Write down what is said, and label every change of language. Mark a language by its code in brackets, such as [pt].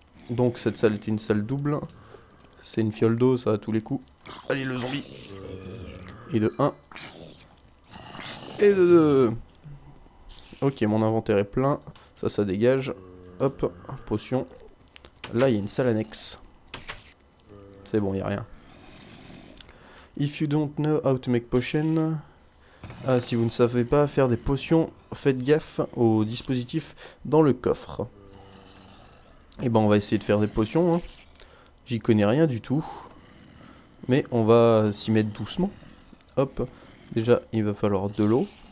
[fr] Donc, cette salle était une salle double. C'est une fiole d'eau, ça, à tous les coups. Allez, le zombie! Et de 1. Et de 2. Ok, mon inventaire est plein. Ça, ça dégage. Hop, potion. Là, il y a une salle annexe. C'est bon, il n'y a rien. [en] If you don't know how to make potion... [fr] Ah, si vous ne savez pas faire des potions, faites gaffe au dispositif dans le coffre. Et ben, on va essayer de faire des potions. Hein. J'y connais rien du tout. Mais on va s'y mettre doucement. Hop, déjà, il va falloir de l'eau.